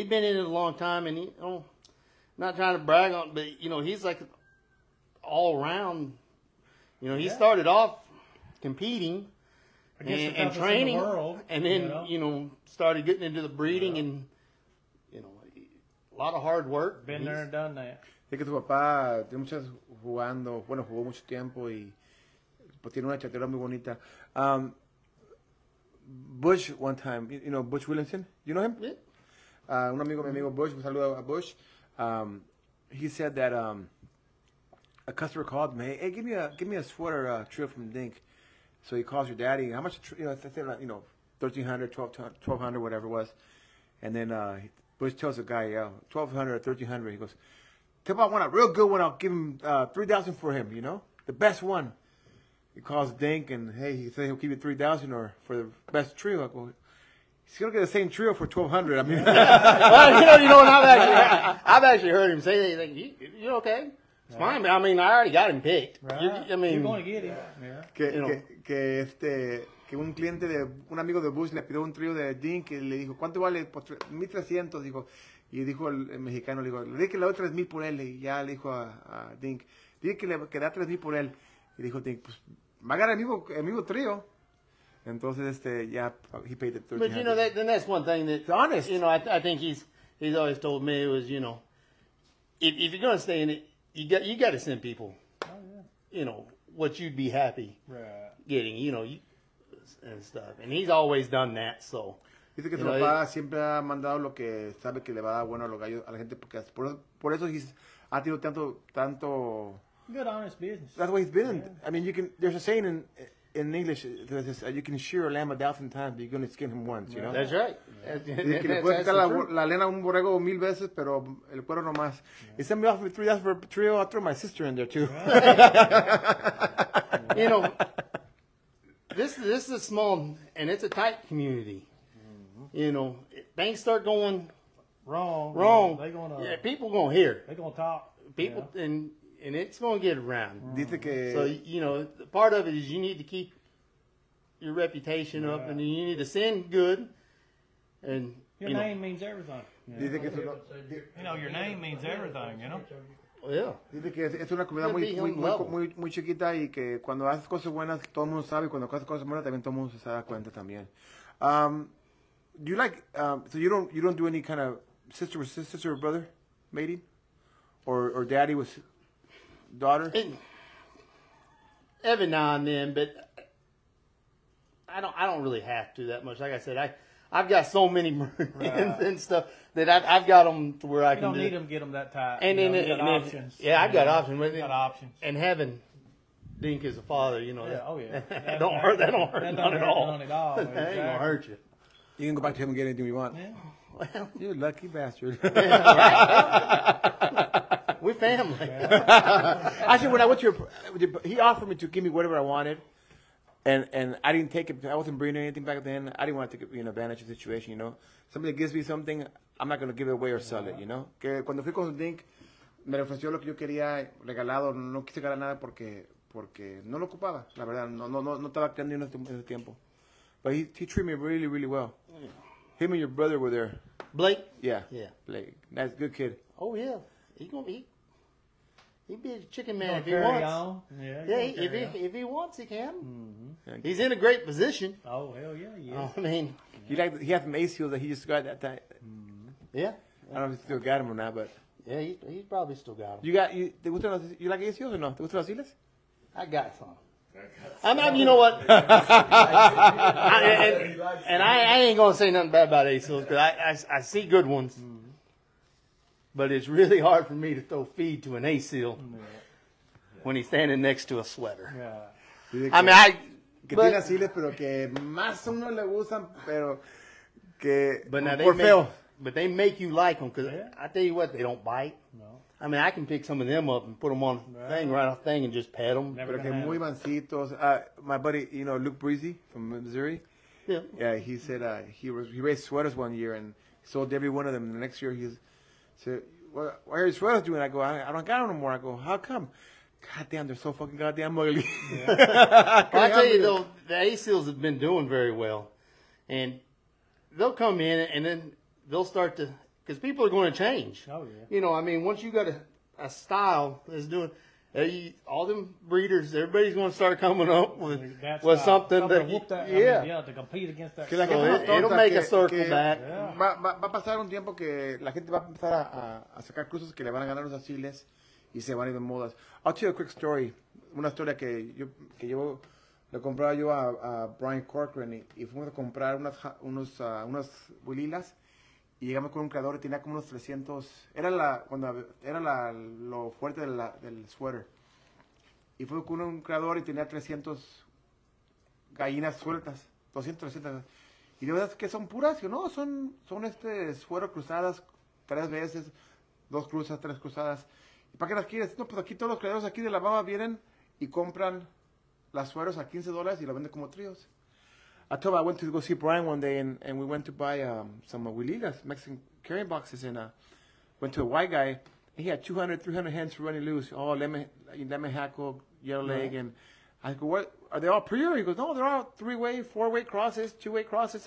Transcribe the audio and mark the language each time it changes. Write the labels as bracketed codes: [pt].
[en] he'd been in it a long time, and not trying to brag on, but he's like all around. He started off competing and training, and then started getting into the breeding and a lot of hard work. Been there and done that. [es] Es que tu papá tiene muchas jugando, jugó mucho tiempo y pues tiene una chatera muy bonita. [en] Bush one time, Bush Williamson, you know him? Yeah. [es] Un amigo, mi amigo Bush, un saludo a Bush. [en] He said that a customer called me. Hey, give me a sweater trio from Dink. So he calls your daddy. How much? I said, 1300, 1200, whatever it was. And then Bush tells the guy, 1200 or 1300. He goes, tell him I want a real good one. I'll give him 3000 for him. You know, the best one. He calls Dink and hey, he said he'll give you 3000 or for the best trio. I go, he's gonna get the same trio for 1200. I mean, well, you know, and I've actually heard him say that. He's like, you're okay. It's fine, but I mean, I already got him picked. Right. You're going to get him. [es] Que un cliente de un amigo de Bush le pidió un trío de Dink y le dijo, ¿cuánto vale? Pues 1300, dijo. Y dijo el mexicano, le dijo, dile que le doy 3000 por él. Y ya le dijo a Dink, dile que le da 3000 por él. Y dijo Dink, pues va a ganar el mismo trío. Entonces, ya, [en] he paid the 1300. But you know, then that's one thing that, it's honest. You know, I think he's always told me, it was, you know, if you're going to stay in it, you got to send people, you know, what you'd be happy getting, you know, and stuff. And he's always done that, so. [es] Dice que su papá siempre ha mandado lo que sabe que le va a dar bueno a los gallos, a la gente, porque por eso ha tenido tanto. [en] Good, honest business. That's what he's been. Yeah. I mean, there's a saying in English, you can shear a lamb a thousand times, but you're going to skin him once, you know? That's right. [es] Dice que le puede quitar la lena a un borrego mil veces, pero el cuero no más. [en] He sent me off with 3000 for a trio, I threw my sister in there, too. You know, this is a small, and it's a tight community. Mm-hmm. You know, things start going wrong. They're going to... Yeah, people going to hear. They're going to talk. People, and it's going to get around. [es] Dice que... [en] So, you know, part of it is you need to keep your reputation up, and you need to send good. And your name means everything. [es] Dice que... [en] You know, your name means everything, you know? Yeah. [es] Dice que es una comunidad muy chiquita y que cuando haces cosas buenas todo el mundo sabe y cuando haces cosas malas también todo el mundo se da cuenta también. [en] You like so you don't do any kind of sister or brother mating or daddy with daughter? Every now and then, but I don't really have to that much. Like I said, I've got so many friends and stuff that I've got them to where I can don't do need Them, get them that tight. And then you got options. Yeah, I've got options. You've got options. And having Dink as a father, you know. Yeah. That don't hurt none at all. Exactly. That ain't going to hurt you. You can go back to him and get anything you want. Yeah. Well, you're a lucky bastard. Yeah, right? We're family. Yeah. Actually, when I went to he offered me to give me whatever I wanted. And I didn't take it. I wasn't bringing anything back then. I didn't want to take advantage of the situation, you know. Somebody gives me something, I'm not going to give it away or sell it, you know. [es] Que cuando fui con Dink, me ofreció lo que yo quería regalado. No quise ganar nada porque no lo ocupaba, la verdad. No estaba creando en ese tiempo. [en] But he treated me really, really well. Him and your brother were there. Blake? Yeah. Yeah. Blake. That's a good kid. Oh, yeah. He'd be a chicken man if he wants. If he wants, he can. Mm-hmm. He's in a great position. Oh, hell yeah, he is. I mean, he has some ace heels that he just got that time. Mm-hmm. Yeah. I don't know if he still got them or not, but. Yeah, he's probably still got them. You got, you like ace heels or no? [es] ¿Te gustan los heels? [en] I got some. I'm you know what? I ain't going to say nothing bad about ace heels because I see good ones. Mm-hmm. But it's really hard for me to throw feed to an ace seal when he's standing next to a sweater. Yeah. I mean, [es] que tiene asiles, pero que más uno le gustan, pero que [en] but now they make you like them, because I tell you what, they don't bite. No. I mean, I can pick some of them up and put them on thing and just pet them. [es] Pero que muy mansitos. [en] My buddy, Luke Breezy from Missouri. Yeah. He said he raised sweaters one year and sold every one of them. The next year, he's... So, what are your sweaters doing? I go, I don't got them no more. I go, how come? God damn, they're so fucking goddamn ugly. Yeah. Well, I tell you, though, the ACLs have been doing very well. And they'll come in, and then they'll start to, because people are going to change. Oh, yeah. You know, I mean, once you got a style that's doing, all them breeders, everybody's going to start coming up with something that, to compete against that. So it'll make a circle back. [es] Va a pasar un tiempo que la gente va a empezar a sacar cruces que le van a ganar los asiles y se van a ir de modas. [en] I'll tell you a quick story. [es] Una historia que yo le compraba yo a Brian Corcoran y fuimos a comprar unas huililas Y llegamos con un creador y tenía como unos 300. Era la, cuando era la, lo fuerte de la, del sweater. Y fue con un creador y tenía 300 gallinas sueltas. 200, 300. Y de verdad que son puras, ¿no? Son este suero cruzadas tres veces. Dos cruzas, tres cruzadas. ¿Y para qué las quieres? No, pues aquí todos los creadores aquí de la baba vienen y compran las sueros a $15 y la venden como tríos. [en] I told you, I went to go see Brian one day and we went to buy some Aguililas, Mexican carrying boxes, and went to a white guy. He had 200, 300 hens running loose. Oh, lemon hackle, yellow leg. Right. And I go, what, are they all pure? He goes, no, they're all three-way, four-way crosses, two-way crosses.